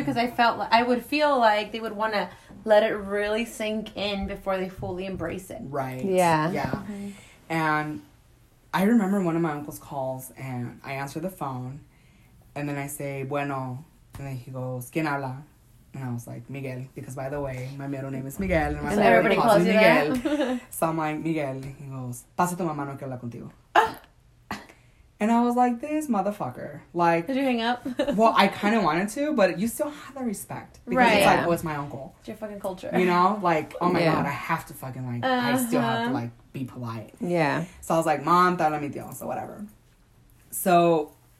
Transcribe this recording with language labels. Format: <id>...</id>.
<en>Because I felt like, I would feel like they would want to let it really sink in before they fully embrace it. Right. Yeah. Yeah. Okay. And I remember one of my uncle's calls and I answer the phone and then I say,</en> <es>bueno.</es> <en>And then he goes,</en> <es>¿quién habla?</es> <en>And I was like, Miguel. Because by the way, my middle name is Miguel. And, my and everybody calls you Miguel. So I'm like, Miguel. He goes,</en> <es>pasa tu mamá, no quiero hablar contigo.</es> <en>And I was like, this motherfucker. Like, did you hang up? Well, I kind of wanted to, but you still have the respect. Because right. it's like, oh, it's my uncle. It's your fucking culture. You know? Like, oh my yeah. God, I have to fucking, like, uh-huh. I still have to, like, be polite. Yeah. So I was like, mom,</en> <es>tala mi tío.</es> <en>So whatever. So...</en>